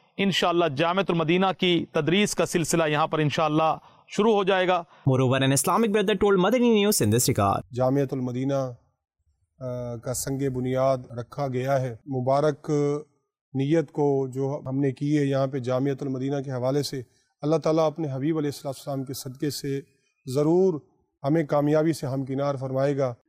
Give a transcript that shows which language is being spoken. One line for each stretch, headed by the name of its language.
Urdu: انشاءاللہ جامعۃ المدینہ کی تدریس کا سلسلہ یہاں پر انشاءاللہ شروع ہو جائے گا.
English: Moreover, an Islamic brother told Madani News in this regard.
Urdu: Jamiatul المدینہ کا سنگ بنیاد رکھا گیا ہے. مبارک نیت کو جو ہم نے کی ہے یہاں پہ جامعۃ المدینہ کے حوالے سے, اللہ تعالیٰ اپنے حبیب علیہ السلام کے صدقے سے ضرور ہمیں کامیابی سے ہمکنار فرمائے گا.